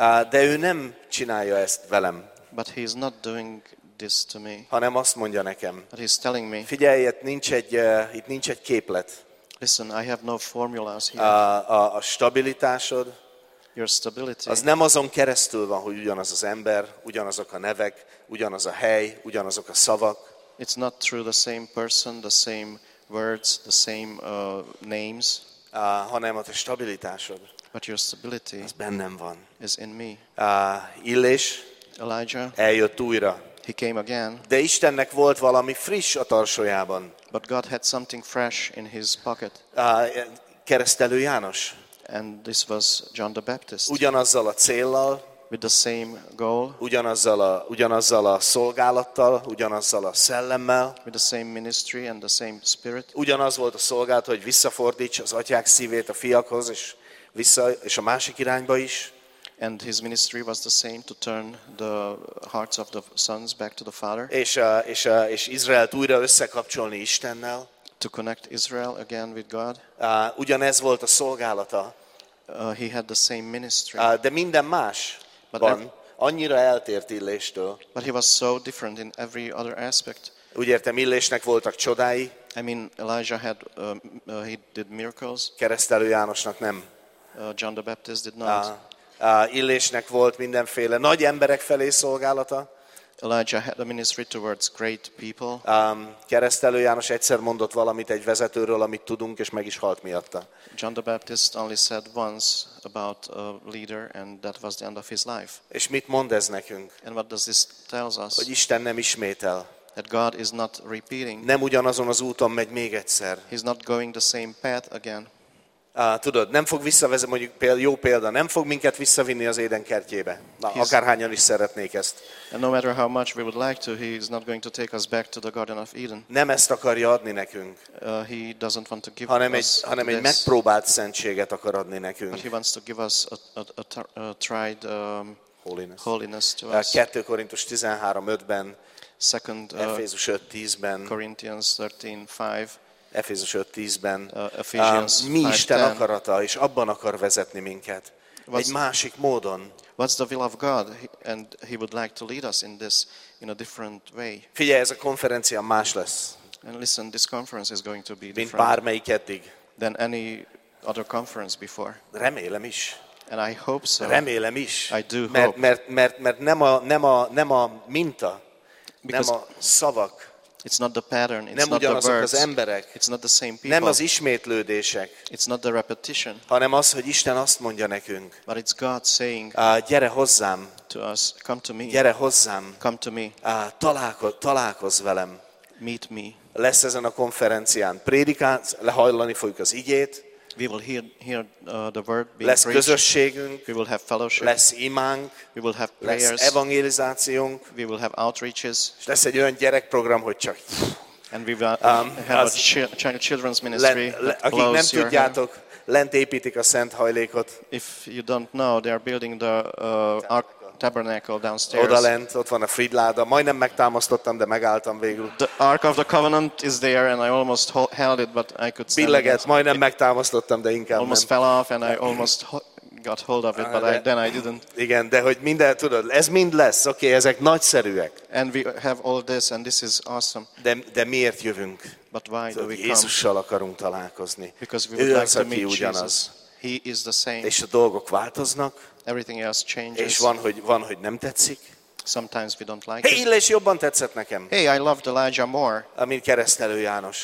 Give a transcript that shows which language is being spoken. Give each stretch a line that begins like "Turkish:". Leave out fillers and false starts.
Hungarian: De ő nem csinálja ezt velem.
English: But he is not doing this to me.
Hungarian: Hanem azt mondja nekem.
English: But he's telling me.
Hungarian: Figyelj, itt nincs egy képlet.
English: Listen, I have no formulas here.
Hungarian: A stabilitásod,
English: your stability.
Hungarian: Az nem azon keresztül van, hogy ugyanaz az ember, ugyanazok a nevek, ugyanaz a hely, ugyanazok a szavak.
English: It's not through the same person, the same words, the same names.
Hungarian: Hanem a te stabilitásod.
English: But your stability.
Hungarian: Az bennem van.
English: Is in me.
Hungarian: Illés.
English: Elijah.
Hungarian: Eljött újra.
English: He came again.
Hungarian: De Istennek volt valami friss a tarsójában.
English: But God had something fresh in his pocket.
Hungarian: Keresztelő János.
English: And this was John the Baptist.
Hungarian: Ugyanazzal a céllal.
English: With the same goal.
Hungarian: Ugyanazzal a szolgálattal, ugyanazzal a szellemmel.
English: With the same ministry and the same spirit.
Hungarian: Ugyanaz volt a szolgálat, hogy visszafordíts az atyák szívét a fiakhoz, és vissza, és a másik irányba is.
English: And his ministry was the same, to turn the hearts of the sons back to the father.
Hungarian: És Izraelt újra összekapcsolni Istennel.
English: To connect Israel again with God.
Hungarian: Ugyanez volt a szolgálata.
English: He had the same ministry.
Hungarian: De minden más
English: but
Hungarian: van. Annyira eltért Illéstől.
English: But he was so different in every other aspect.
Hungarian: Úgy értem, Illésnek voltak csodái.
English: I mean, Elijah had, he did miracles.
Hungarian: Keresztelő Jánosnak nem.
English: John the Baptist did not.
Hungarian: Illésnek volt mindenféle nagy emberek felé szolgálata.
English: Elijah had a ministry towards great people.
Hungarian: Keresztelő János egyszer mondott valamit egy vezetőről, amit tudunk, és meg is halt miatta.
English: John the Baptist only said once about a leader, and that was the end of his life.
Hungarian: És mit mond ez nekünk?
English: And what does this tell us?
Hungarian: Hogy Isten nem ismétel.
English: That God is not repeating.
Hungarian: Nem ugyanazon az úton megy még egyszer.
English: He's not going the same path again.
Hungarian: Tudod, nem fog visszavezetni, mondjuk jó példa, nem fog minket visszavinni az Éden kertjébe. Na, akárhányan is szeretnék ezt.
English: And no matter how much we would like to, he is not going to take us back to the Garden of Eden.
Hungarian: Nem ezt akarja adni nekünk.
English: He doesn't want to give
Hungarian: hanem egy megpróbált szentséget akar adni nekünk.
English: But he wants to give us a tried holiness to us.
Hungarian: 2 Korintus 13:5-ben,
English: Second
Hungarian: Efézus 5:10-ben,
English: Corinthians 13:5.
Hungarian: Efézus 5:10-ben mi Isten akarata, és abban akar vezetni minket. Egy másik módon.
English: What's the will of God, and he would like to lead us in this in a different way.
Hungarian: Figyelj, ez a konferencia más lesz.
English: And listen, this conference is going to be different.
Hungarian: Mint bármelyik eddig.
English: Than any other conference before.
Hungarian: Remélem is.
English: And I hope so.
Hungarian: Remélem is.
English: I do hope.
Hungarian: Mert nem a minta,
English: because
Hungarian: nem a szavak.
English: It's not the pattern. It's
Hungarian: nem
English: not
Hungarian: ugyanazok
English: the words,
Hungarian: az emberek.
English: It's not the same people.
Hungarian: Nem az ismétlődések.
English: It's not the repetition.
Hungarian: Hanem az, hogy Isten azt mondja nekünk.
English: But it's God saying.
Hungarian: Gyere hozzám.
English: To us, come to me.
Hungarian: Gyere hozzám.
English: Come to me.
Hungarian: Találkozz velem.
English: Meet me.
Hungarian: Lesz ezen a konferencián prédikát, lehajlani fogjuk az igét.
English: We will hear the word being
Hungarian: lesz
English: preached.
Hungarian: Közösségünk.
English: We will have fellowship.
Hungarian: Lesz imánk.
English: We will have prayers.
Hungarian: Lesz evangelizációnk.
English: We will have outreaches.
Hungarian: És lesz egy olyan gyerekprogram, hogy csak.
English: And we will have a children's ministry.
Hungarian: Akik nem tudjátok, lent építik a szent hajlékot.
English: If you don't know, they are building the tabernacle downstairs.
Hungarian: Oda lent, ott van a Fridláda. Majdnem megtámasztottam, de megálltam végül.
English: The Ark of the Covenant is there and I almost held it, but I could stand.
Hungarian: Billeget, majdnem megtámasztottam, de inkább
English: almost
Hungarian: nem.
English: Fell off and I almost got hold of it, but then I didn't.
Hungarian: Igen, de hogy minden, tudod, ez mind lesz. Oké, ezek nagyszerűek.
English: And we have all this and this is awesome.
Hungarian: De miért jövünk?
English: But why do we come?
Hungarian: Jézussal akarunk találkozni.
English: Because we would
Hungarian: ő
English: like
Hungarian: az,
English: to meet
Hungarian: ugyanaz.
English: Jesus. He is the same.
Hungarian: És a dolgok változnak.
English: Everything else changes.
Hungarian: És van, hogy nem tetszik.
English: Sometimes we don't like it.
Hungarian: Hey, Illés, jobban tetszett nekem.
English: Hey, I loved Elijah more.
Hungarian: Amint keresztelő János.